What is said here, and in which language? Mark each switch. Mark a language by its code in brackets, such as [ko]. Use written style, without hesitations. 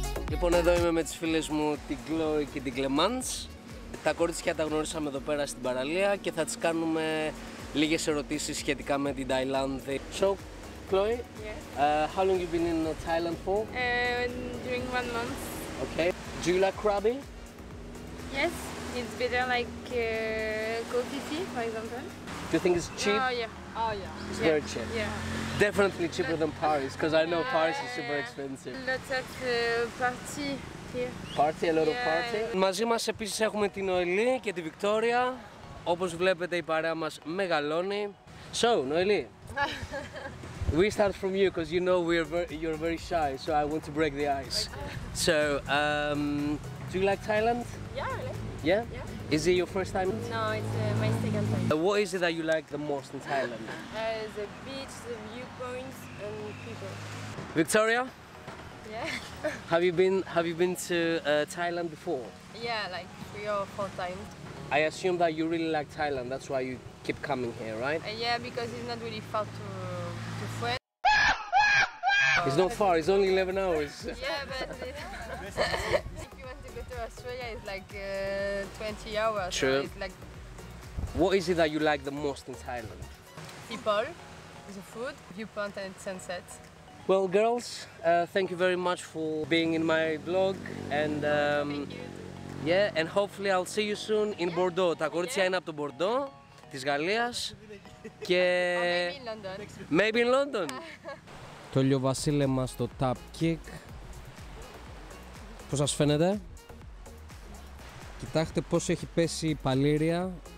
[el] Λοιπόν, εδώ είμαι με τις φίλες μου την Chloe και την Clemence. Τα κορίτσια τα γνωρίσαμε εδώ πέρα στην παραλία και θα τις κάνουμε λίγες ερωτήσεις σχετικά με την Thailand. [en] So, Chloe, yes. How long you been in Thailand for? During 1 month. Okay. Do you like Krabi? Yes, it's better like coffee tea, for example. Do you think it's cheap? Oh yeah. It's very cheap. Yeah. Definitely cheaper than Paris, because I know Paris is super expensive. Lots of party here. Party, a lot of party. [el] Μαζί μας επίσης έχουμε την Ολή και τη Βικτόρια. Όπως βλέπετε η παρέα μας μεγαλώνει. [en] So, Noeli, we start from you because you know you're very shy, so I want to break the ice. Okay. So, do you like Thailand? Yeah, I like. Yeah? Yeah. Is it your first time? No, it's my second time. What is it that you like the most in Thailand? The beach, the viewpoints, and people. Victoria? Yeah. Have you been to Thailand before? Yeah, like 3 or 4 times. I assume that you really like Thailand, that's why you keep coming here, right? Yeah, because it's not really far to friends. It's not far, it's only 11 hours. Yeah, but if you want to go to Australia, it's like 20 hours. True. It's like... What is it that you like the most in Thailand? People, the food, viewpoint and sunset. Well, girls, thank you very much for being in my vlog. And, thank you. Yeah, and hopefully I'll see you soon in Bordeaux. [el] Τα κορίτσια είναι από το Μπορντό, της Γαλλίας. Και... [en] Maybe in London. [el] Το λιοβασίλεμα στο Tup Kaek. Πώς σας φαίνεται? Κοιτάξτε πώς έχει πέσει η παλίρρια.